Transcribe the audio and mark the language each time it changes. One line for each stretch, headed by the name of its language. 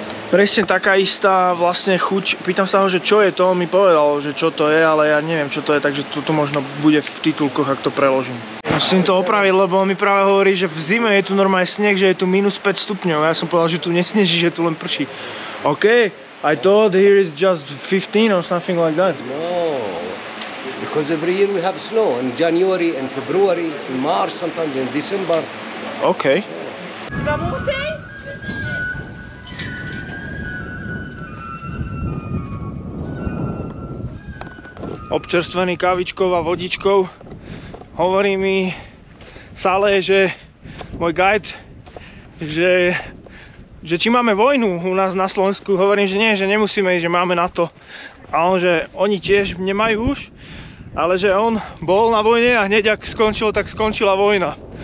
Slovak: Presne taká istá vlastne chuť. Pýtam sa ho, že čo je to, on mi povedal, že čo to je, ale ja neviem, čo to je, takže toto možno bude v titulkoch, ak to preložím. Musím to opraviť, lebo on mi práve hovorí, že v zime je tu normálne sneh, že je tu minus 5 stupňov. Ja som povedal, že tu nesneží, že tu len prší.
English: OK, I thought here is just 15 or something like that. No. Because every year we have snow in January, in February, in March, sometimes in December. Okay.
Slovak: Občerstvený kávičkou a vodičkou. Hovorí mi Saleh, že môj guide, že či máme vojnu u nás na Slovensku. Hovorím, že nie, že nemusíme ísť, že máme na to. A on, že oni tiež nemajú už. Ale že on bol na vojne a hneď ak skončil, tak skončila vojna.